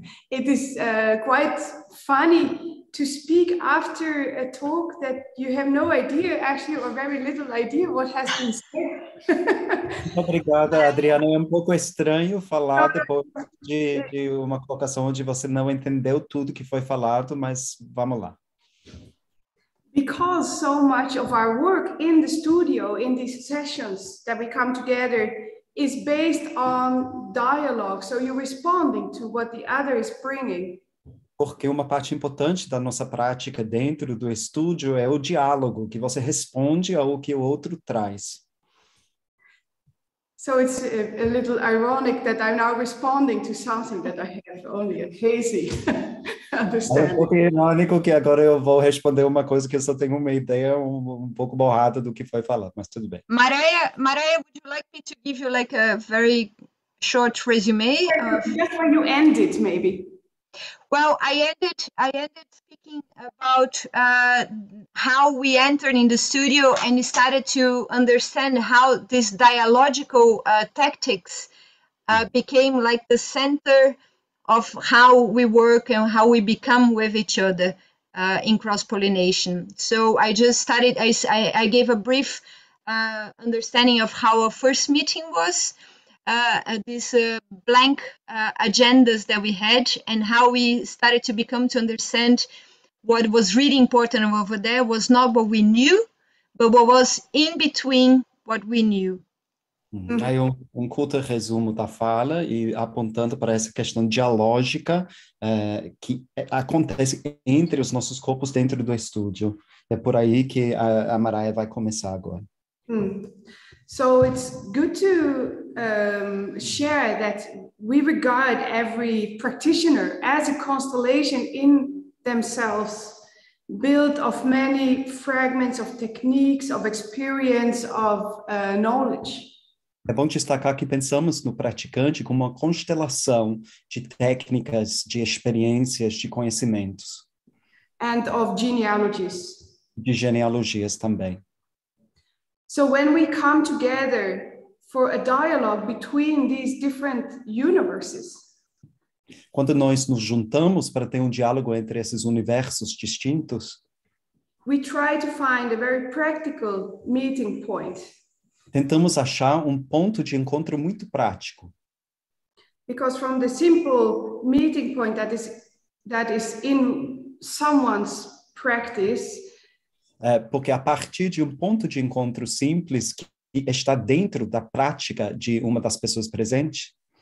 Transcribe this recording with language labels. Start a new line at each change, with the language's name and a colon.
English: It is quite funny to speak after a talk that you have no idea, actually, or very little idea what has been said.
Portuguese: Obrigada, Adriana. É um pouco estranho falar depois de uma colocação onde você não entendeu tudo que foi falado, mas vamos lá.
English: Because so much of our work in the studio, in these sessions that we come together, is based on dialogue. So you're responding to what the other is bringing.
Portuguese: porque uma parte importante da nossa prática dentro do estúdio é o diálogo, que você responde ao que o outro traz.
English: So it's a little ironic that I'm now responding to something that I have only a hazy
Portuguese: É um pouco
English: understanding.
Portuguese: irônico que agora eu vou responder uma coisa que eu só tenho uma ideia um pouco borrada do que foi falado, mas tudo bem.
English: Maria, would you like me to give you like a very short resume of? Just when you end it, maybe. Well, I ended speaking about how we entered in the studio and started to understand how these dialogical tactics became like the center of how we work and how we become with each other in cross-pollination. So I just started, I gave a brief understanding of how our first meeting was, these blank agendas that we had, and how we started to become to understand what was really important over there was not what we knew, but what was in between what we knew.
Portuguese: Aí um curto resumo da fala e apontando para essa questão dialógica que acontece entre os nossos corpos dentro do estúdio. É por aí que a Maraia vai começar agora.
English: So it's good to share that we regard every practitioner as a constellation in themselves, built of many fragments of techniques, of experience, of knowledge.
Portuguese: É bom destacar que pensamos no praticante como uma constelação de técnicas, de experiências, de conhecimentos.
English: And of genealogies.
Portuguese: De genealogias também.
English: So when we come together for a dialogue between these different universes.
Portuguese: Quando nós nos juntamos para ter um diálogo entre esses universos distintos.
English: We try to find a very practical meeting point.
Portuguese: Tentamos achar um ponto de encontro muito prático.
English: Because from the simple meeting point that is in someone's practice.
Portuguese: Porque a partir de um ponto de encontro simples que está dentro da prática de uma das pessoas presentes.